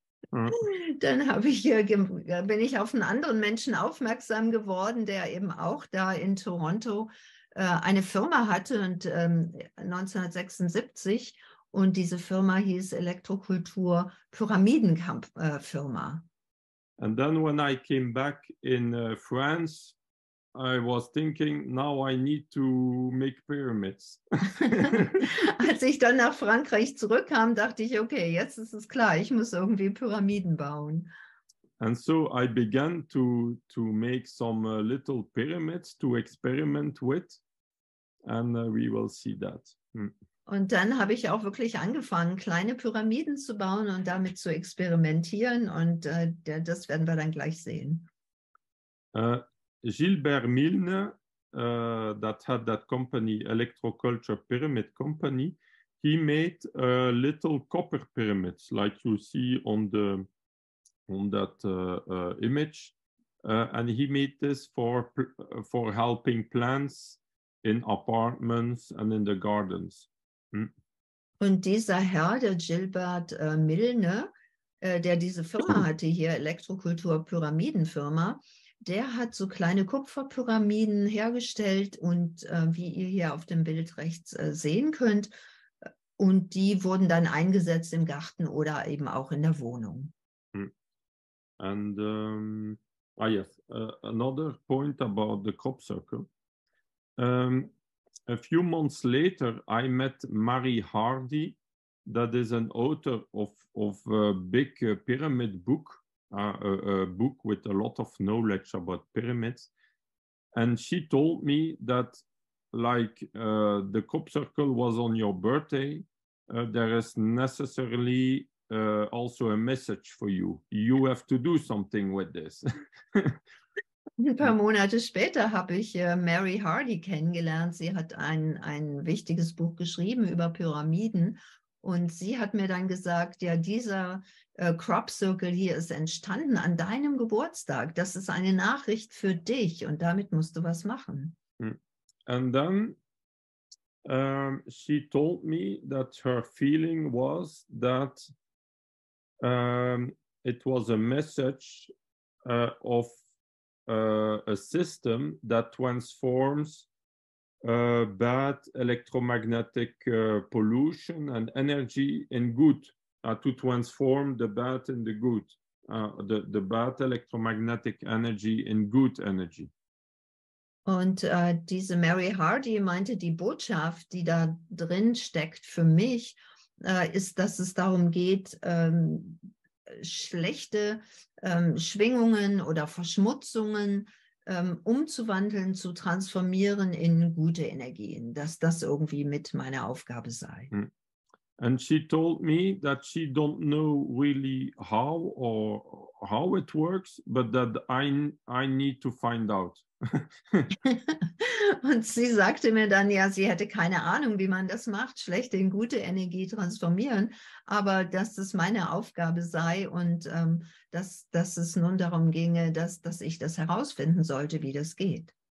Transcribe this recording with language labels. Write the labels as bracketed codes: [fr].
[de] Dann bin ich auf einen anderen Menschen aufmerksam geworden, der eben auch da in Toronto eine Firma hatte, und 1976, und diese Firma hieß Elektrokultur Pyramidenkamp Firma. [en] And then when I came back in France, I was thinking, now I need to make pyramids. [de] Als ich dann nach Frankreich zurückkam, dachte ich, okay, jetzt ist es klar, ich muss irgendwie Pyramiden bauen. [en] And so I began to make some little pyramids to experiment with, and we will see that. [de] Und dann habe ich auch wirklich angefangen, kleine Pyramiden zu bauen und damit zu experimentieren, und das werden wir dann gleich sehen. [en] Gilbert Milne, that had that company, Electroculture Pyramid Company, he made little copper pyramids, like you see on that image. And he made this for helping plants in apartments and in the gardens. [de] Und dieser Herr, der Gilbert Milne, der diese Firma hatte hier, Elektrokultur Pyramidenfirma, der hat so kleine Kupferpyramiden hergestellt, und wie ihr hier auf dem Bild rechts sehen könnt, und die wurden dann eingesetzt im Garten oder eben auch in der Wohnung. [en] And another point about the crop circle. A few months later, I met Mary Hardy, that is an author of a big pyramid book, a book with a lot of knowledge about pyramids. And she told me that, like, the crop circle was on your birthday, there is necessarily also a message for you. You have to do something with this. [de] Ein paar Monate später habe ich Mary Hardy kennengelernt. Sie hat ein wichtiges Buch geschrieben über Pyramiden. Und sie hat mir dann gesagt, ja, dieser Crop Circle hier ist entstanden an deinem Geburtstag. Das ist eine Nachricht für dich, und damit musst du was machen. [en] And then she told me that her feeling was that it was a message of a system that transforms bad electromagnetic pollution and energy in good, to transform the bad in the good, the bad electromagnetic energy in good energy. [de] Und diese Mary Hardy meinte, die Botschaft, die da drin steckt für mich, ist, dass es darum geht, schlechte Schwingungen oder Verschmutzungen umzuwandeln, zu transformieren in gute Energien, dass das irgendwie mit meiner Aufgabe sei. [en] And she told me that she don't know really how or how it works, but that I need to find out. [de] Und sie sagte mir dann, ja, sie hätte keine Ahnung, wie man das macht, schlechte in gute Energie transformieren, aber dass das meine Aufgabe sei, und dass es nun darum ginge, dass ich das herausfinden sollte, wie das geht.